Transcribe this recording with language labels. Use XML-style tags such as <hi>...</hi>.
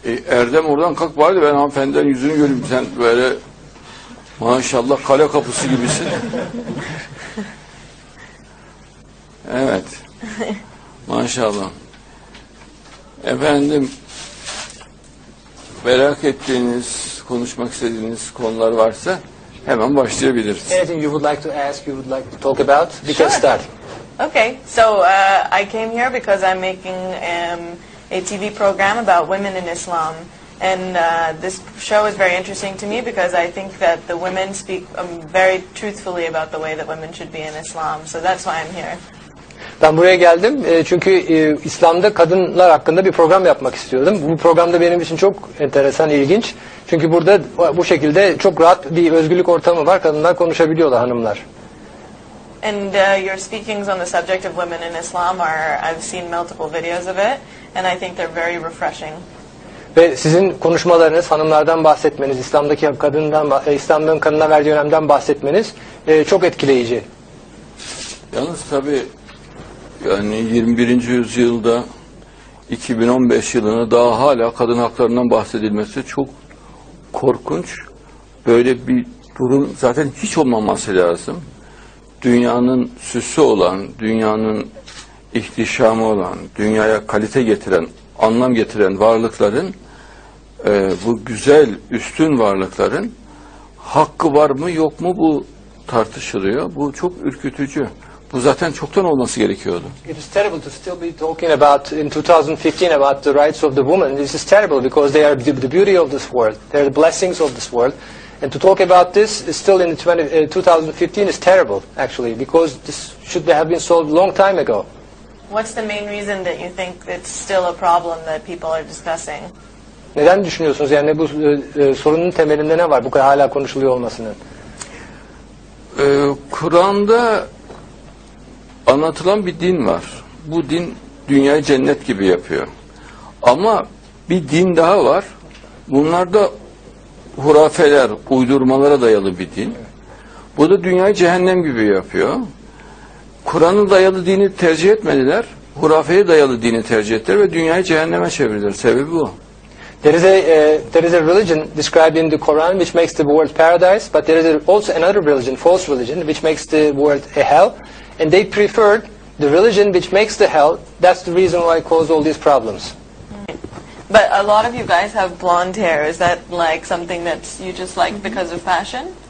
<tr>Erdem oradan kalk bari de ben hanımefendinin yüzünü göreyim. Sen böyle maşallah kale kapısı gibisin. Evet. Maşallah. Efendim, merak ettiğiniz, konuşmak istediğiniz konular varsa hemen başlayabiliriz.</tr> <en>Anything you would like to ask, you would like to talk about? We can start. Okay, so I came here because I'm making a TV program about women in Islam. And this show is very interesting to me because I think that the women speak very truthfully about the way that women should be in Islam. So that's why I'm here.</en> <tr>Ben buraya geldim çünkü İslam'da kadınlar hakkında bir program yapmak istiyordum. Bu program da benim için çok enteresan, ilginç. Çünkü burada bu şekilde çok rahat bir özgürlük ortamı var. Kadınlar konuşabiliyorlar, hanımlar.</tr> <en>And your speakings on the subject of women in Islam are, I've seen multiple videos of it, and I think they're very refreshing.</en> <tr>Ve sizin konuşmalarınız, hanımlardan bahsetmeniz, İslam'daki kadından, İslam'ın kadına verdiği önemden bahsetmeniz çok etkileyici. Yalnız tabii, yani 21. yüzyılda 2015 yılına daha hala kadın haklarından bahsedilmesi çok korkunç. Böyle bir durum zaten hiç olmaması lazım. Dünyanın süsü olan, dünyanın ihtişamı olan, dünyaya kalite getiren, anlam getiren varlıkların, bu güzel, üstün varlıkların hakkı var mı yok mu bu tartışılıyor. Bu çok ürkütücü. Bu zaten çoktan olması gerekiyordu.</tr> <en>It is terrible to still be talking about in 2015 about the rights of the woman. This is terrible because they are the beauty of this world. They are the blessings of this world. And to talk about this still in 2015 is terrible, actually, because this should have been solved a long time ago. What's the main reason that you think it's still a problem that people are discussing?</en> <tr>Neden düşünüyorsunuz? Yani bu sorunun temelinde ne var? Bu kadar hala konuşuluyor olmasının. Kur'an'da anlatılan bir din var. Bu din dünyayı cennet gibi yapıyor. Ama bir din daha var. Bunlar da hurafeler, uydurmalara dayalı bir din. Bu da dünyayı cehennem gibi yapıyor. Kur'an'ın dayalı dini tercih etmediler. Hurafeye dayalı dini tercih ettiler ve dünyayı cehenneme çevirdiler. Sebebi bu.</tr> <en>There is a religion described in the Quran which makes the world paradise, but there is also another religion, false religion, which makes the world a hell. And they preferred the religion which makes the hell. That's the reason why it caused all these problems. But a lot of you guys have blonde hair. Is that like something that you just like because of fashion?</en>